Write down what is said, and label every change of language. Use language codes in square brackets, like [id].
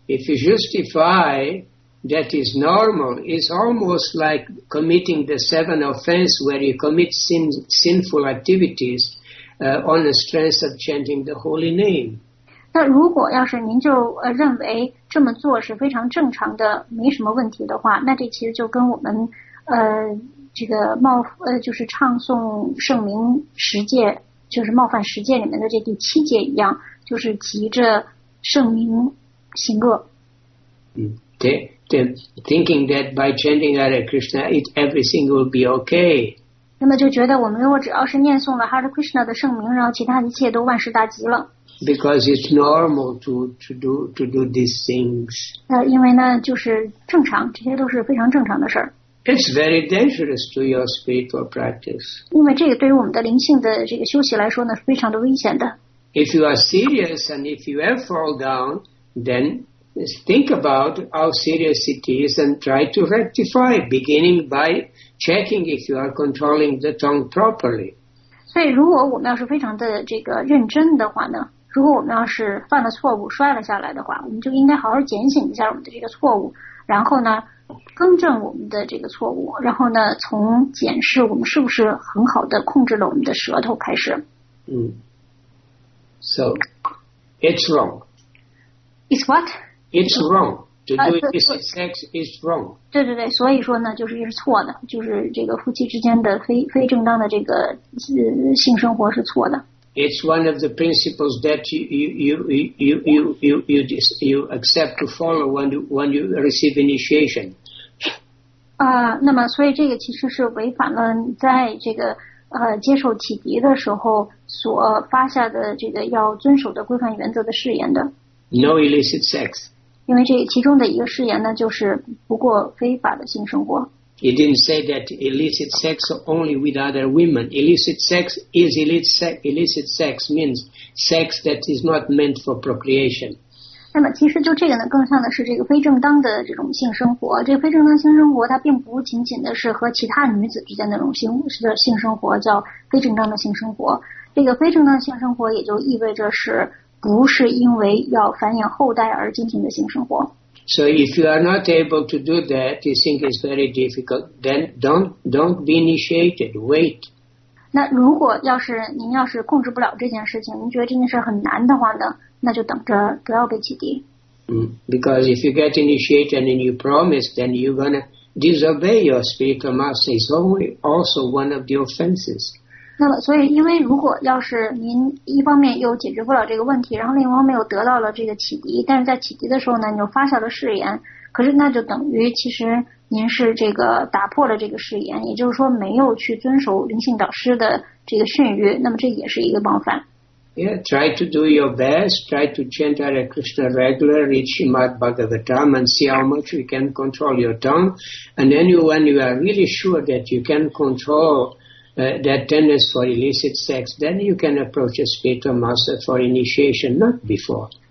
[en] If you justify that is normal, it's almost like committing the seven offense where you commit sinful activities on the strength of chanting the holy name. [zh] 那如果要是您就认为这么做是非常正常的，没什么问题的话，那这其实就跟我们这个就是唱诵圣名十诫，就是冒犯十诫里面的这第七诫一样，就是急着圣名行恶。对 [en] thinking that by chanting Hare Krishna, everything will be okay. [zh] 那么就觉得我们如果只要是念诵了 Hare Krishna 的圣名，然后其他一切都万事大吉了。 [en] Because it's normal to do these things. [zh] 因为呢，就是正常，这些都是非常正常的事儿。 [en] It's very dangerous to your spiritual practice. [zh] 因为这个对于我们的灵性的这个修习来说呢，是非常的危险的。 [en] If you are serious and if you ever fall down, then think about how serious it is and try to rectify, beginning by checking if you are controlling the tongue properly. [zh] 所以，如果我们要是非常的这个认真的话呢？如果我们要是犯了错误摔了下来的话，我们就应该好好检醒一下我们的这个错误，然后呢更正我们的这个错误，然后呢从检视我们是不是很好的控制了我们的舌头开始。 [en] So it's wrong. It's what? It's wrong. To do illicit sex is wrong. [zh] 对对对，所以说呢就是错的，就是这个夫妻之间的非正当的这个性生活是错的。 [en] It's one of the principles that you accept to follow when you receive initiation. [zh] 那么所以这个其实是违反了在这个接受启迪的时候所发下的这个要遵守的规范原则的誓言的。 [en] No illicit sex. [zh] 因为这其中的一个誓言呢，就是不过非法的性生活。 [en] He didn't say that illicit sex only with other women. Illicit sex is illicit sex means sex that is not meant for procreation. [zh] 那么其实就这个呢，更像的是这个非正当的这种性生活。这个非正当性生活，它并不仅仅的是和其他女子之间的那种性生活叫非正当的性生活。这个非正当性生活也就意味着是不是因为要繁衍后代而进行的性生活。 [en] So if you are not able to do that, you think it's very difficult, then don't be initiated. Wait. [zh] 那如果要是您要是控制不了这件事情，您觉得这件事很难的话呢，那就等着不要被启迪。 [en] Because if you get initiated and you promise, then you're gonna disobey your spiritual master. It's also one of the offenses. [zh] 那么所以因为如果要是您一方面又解决不了这个问题，然后另一方面又得到了这个启迪，但是在启迪的时候呢你又发下了誓言，可是那就等于其实您是这个打破了这个誓言，也就是说没有去遵守灵性导师的这个训谕，那么这也是一个冒犯。 [en] Yeah, try to do your best, try to chant Hare Krishna regularly, read Srimad Bhagavatam and see how much you can control your tongue, and then when you are really sure that you can control that tenderness for illicit sex, then you can approach a spiritual master for initiation, not before.